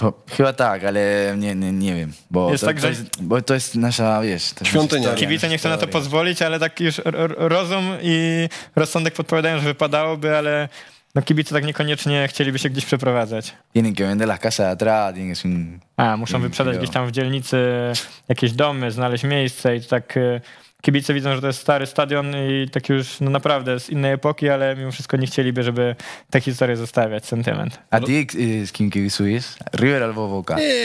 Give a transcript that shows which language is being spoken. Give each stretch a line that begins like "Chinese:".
Polish: Chyba tak, ale nie wiem, bo to jest nasza, wiesz... Świątynia. Kibice nie chcą na to pozwolić, ale tak już rozum i rozsądek podpowiadają, że wypadałoby, ale no kibice tak niekoniecznie chcieliby się gdzieś przeprowadzać.
Spanish: Tienen que vender las casas atrás.
Polish: A, muszą wyprzedać gdzieś tam w dzielnicy jakieś domy, znaleźć miejsce i tak kibice widzą, że to jest stary stadion i tak już no naprawdę z innej epoki, ale mimo wszystko nie chcieliby, żeby tę historię zostawiać, sentyment. A ty z kim kibicujesz? River albo Boca?